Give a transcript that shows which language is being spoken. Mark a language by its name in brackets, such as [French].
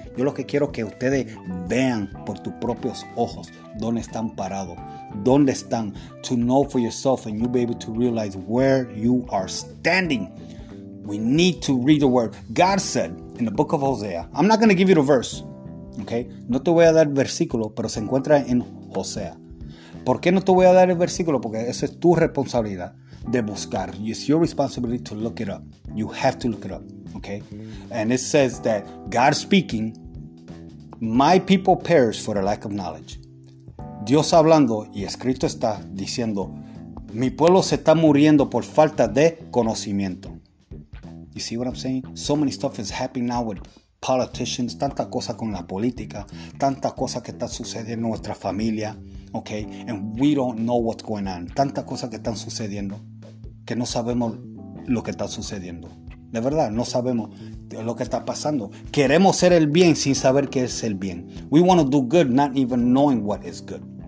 [Spanish] Yo lo que quiero que ustedes vean por tus propios ojos dónde están parados, dónde están, [English] to know for yourself and you'll be able to realize where you are standing. We need to read the word. God said in the book of Hosea, I'm not going to give you the verse, okay? [Spanish] No te voy a dar versículo, pero se encuentra en Hosea. ¿Por qué no te voy a dar el versículo? Porque esa es tu responsabilidad de buscar. [English] It's your responsibility to look it up. You have to look it up. Okay? And it says that God speaking, my people perish for a lack of knowledge. [Spanish] Dios hablando y escrito está diciendo, mi pueblo se está muriendo por falta de conocimiento. [English] You see what I'm saying? So many stuff is happening now with politicians, [Spanish] tanta cosa con la política, tanta cosa que está sucediendo en nuestra familia. [English] Okay? And we don't know what's going on. [Spanish] Tanta cosa que están sucediendo que no sabemos lo que está sucediendo. De verdad, no sabemos lo que está pasando. Queremos ser el bien sin saber qué es el bien. [English] We want to do good, not even knowing what is good.